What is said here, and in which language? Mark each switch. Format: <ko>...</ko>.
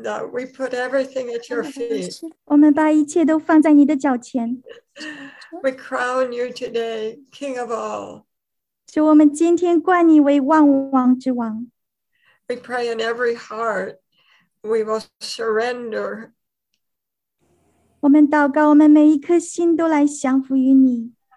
<en>We put everything at your feet.</en> <zh>我们把一切都放在你的脚前。</zh> <en>We crown you today, King of all.</en> <zh>主，我们今天冠你为万王之王。</zh> <en>We pray in every heart, we will surrender.</en> <zh>我们祷告，我们每一颗心都来降服于你。</zh>